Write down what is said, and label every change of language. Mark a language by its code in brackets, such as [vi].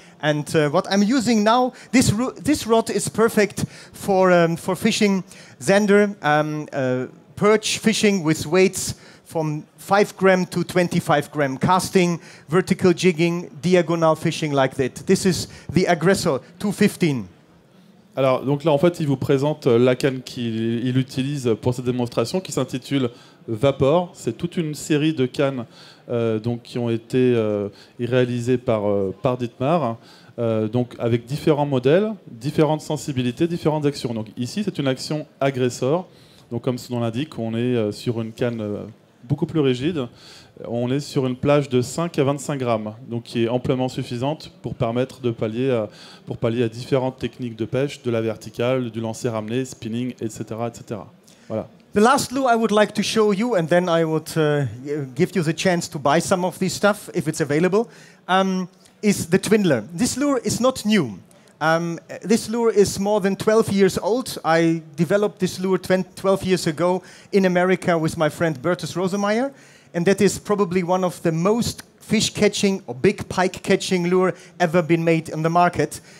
[en] And what I'm using now, this rod is perfect for fishing zander, perch fishing with weights from 5 gram to 25 gram, casting, vertical jigging, diagonal fishing like that. This is the aggressor 215. [fr] Alors donc là en fait il vous présente la canne qu'il utilise pour cette démonstration qui s'intitule Vapor. C'est toute une série de cannes donc qui ont été réalisées par Dietmar. Donc avec différents modèles, différentes sensibilités, différentes actions. Donc ici, c'est une action agressor. Donc comme son nom l'indique, on est sur une canne beaucoup plus rigide. On est sur une plage de 5 à 25 grammes, donc qui est amplement suffisante pour permettre de pallier à différentes techniques de pêche, de la verticale, du lancer ramené, spinning, etc., etc. Voilà. [en] The last lure I would like to show you, and then I would give you the chance to buy some of this stuff if it's available. Is the Twindler. This lure is not new. This lure is more than 12 years old. I developed this lure 12 years ago in America with my friend Bertus Rosemeyer, and that is probably one of the most fish-catching or big pike-catching lure ever been made on the market.